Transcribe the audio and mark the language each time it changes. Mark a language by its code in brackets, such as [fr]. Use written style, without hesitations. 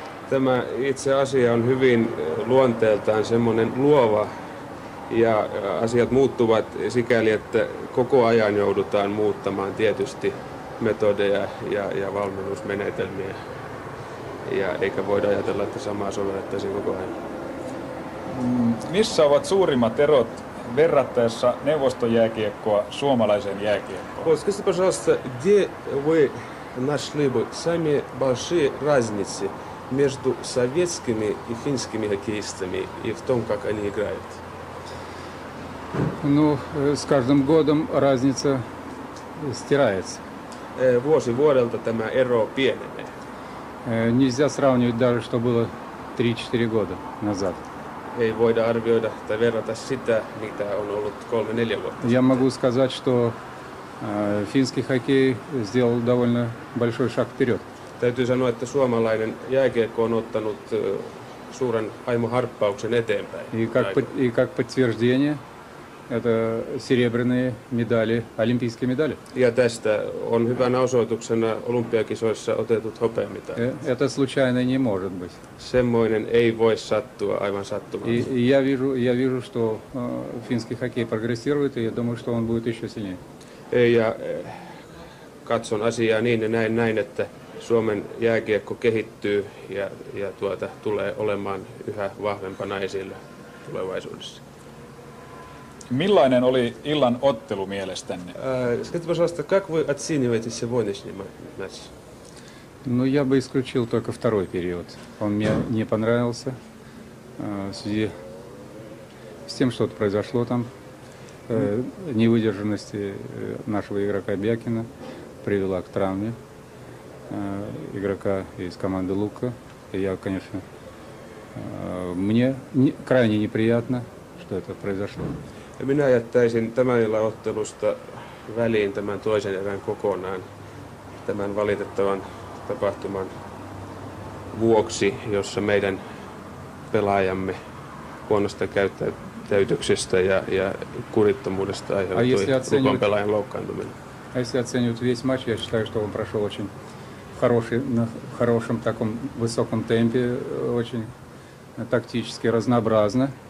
[fi] Tämä itse asia on hyvin luonteeltaan semmoinen luova ja asiat muuttuvat sikäli, että koko ajan joudutaan muuttamaan tietysti metodeja ja valmennusmenetelmiä. Ja eikä voida ajatella, että samaa sovellettaisiin koko ajan. Missä ovat suurimmat erot verrattaessa neuvostojääkiekkoa suomalaiseen jääkiekkoon? [ru] Скажите, пожалуйста, где вы нашли бы самые большие разницы между советскими и финскими хоккеистами и в том, как они играют? Ну, с каждым годом разница стирается. [fi] Vuosi vuodelta tämä ero pienenee. [ru] Нельзя сравнивать даже, что было 3-4 года назад. [fi] Ei voida arvioida tai verrata sitä, mitä on ollut 3-4 vuotta. [ru] Я могу сказать, что финский хоккей сделал довольно большой шаг вперед. [fi] Täytyy sanoa, että suomalainen jääkiekko on ottanut suuren aimoharppauksen eteenpäin. [ru] И как подтверждение, это серебряные медали, олимпийские медали. [fi] Ja tästä on hyvänä osoituksena olympiakisoissa otetut hopeamitalit. [ru] Это случайно не может быть. [fi] Semmoinen ei voi sattua aivan sattumalta. [ru] Я вижу, что финский хоккей прогрессирует, и я думаю, что он будет еще сильнее. [fi] Ja katson asiaa niin ja näin, että Suomen jääkiekko kehittyy ja tulee olemaan yhä vahvempana esillä tulevaisuudessa. Millainen oli illan ottelu mielestänne? [ru] Скажите, пожалуйста, как вы оцениваете сегодняшний матч? Ну, я бы исключил только второй период. Он мне не понравился в связи с тем, что-то произошло там. Невыдержанности нашего игрока Бякина привела к травме игрока из команды Лука. И я, конечно, мне крайне неприятно, что это произошло. [fi] Minä jättäisin tämän illan ottelusta väliin tämän toisen erän kokonaan tämän valitettavan tapahtuman vuoksi, jossa meidän pelaajamme huonosta käyttäytyksestä ja kurittomuudesta aiheutui Lukan pelaajan loukkaantuminen. [ru] А если оценивать весь матч, я считаю, что он прошел очень хороший, на хорошем таком высоком темпе, очень тактически разнообразно.